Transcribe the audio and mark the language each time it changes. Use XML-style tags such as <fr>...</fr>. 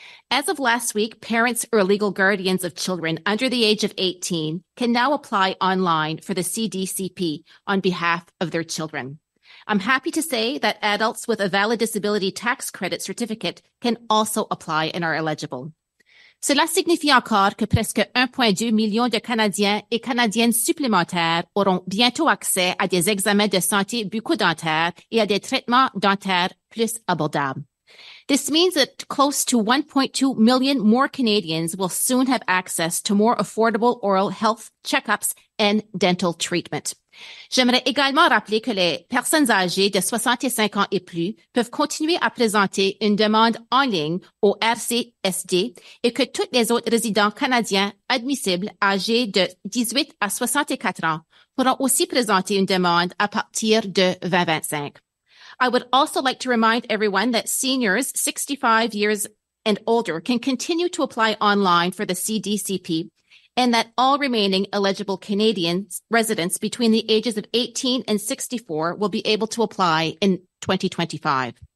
<en>As of last week, parents or legal guardians of children under the age of 18 can now apply online for the CDCP on behalf of their children. I'm happy to say that adults with a valid disability tax credit certificate can also apply and are eligible.</en> <fr>Cela signifie encore que presque 1,2 million de Canadiens et Canadiennes supplémentaires auront bientôt accès à des examens de santé bucco-dentaire et à des traitements dentaires plus abordables.</fr> <en>This means that close to 1.2 million more Canadians will soon have access to more affordable oral health checkups and dental treatment.</en> <fr>J'aimerais également rappeler que les personnes âgées de 65 ans et plus peuvent continuer à présenter une demande en ligne au RCSD et que tous les autres résidents canadiens admissibles âgés de 18 à 64 ans pourront aussi présenter une demande à partir de 2025.</fr> <en>I would also like to remind everyone that seniors 65 years and older can continue to apply online for the CDCP, and that all remaining eligible Canadian residents between the ages of 18 and 64 will be able to apply in 2025.</en>